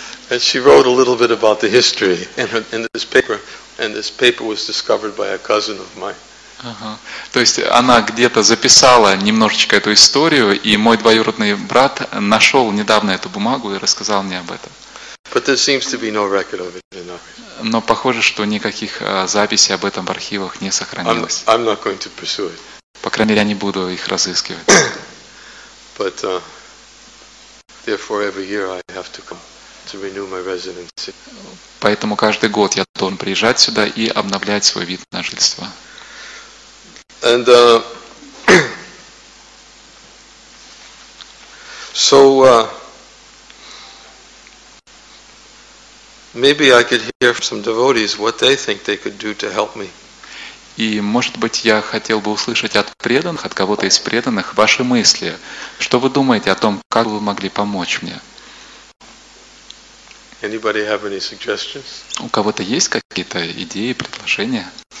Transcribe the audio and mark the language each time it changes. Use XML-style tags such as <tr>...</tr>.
<en>And she wrote a little bit about the history in this paper, and this paper was discovered by a cousin of mine.</en> <ru>То есть она где-то записала немножечко эту историю, и мой двоюродный брат нашел недавно эту бумагу и рассказал мне об этом.</ru> <en>But there seems to be no record of it in our...</en> <ru>Но похоже, что никаких записей об этом в архивах не сохранилось.</ru> <en>I'm not going to pursue it.</en> <ru>По крайней мере, я не буду их разыскивать.</ru> <en>But, therefore, every year I have to come to renew my residency.</en> <ru>Поэтому каждый год я должен приезжать сюда и обновлять свой вид на жительство.</ru> <en>And so maybe I could hear from some devotees what they think they could do to help me.</en> <ru>И, может быть, я хотел бы услышать от преданных, от кого-то из преданных, ваши мысли. Что вы думаете о том, как вы могли помочь мне?</ru> <en>Anybody have any suggestions?</en> <ru>У кого-то есть какие-то идеи, предложения?</ru>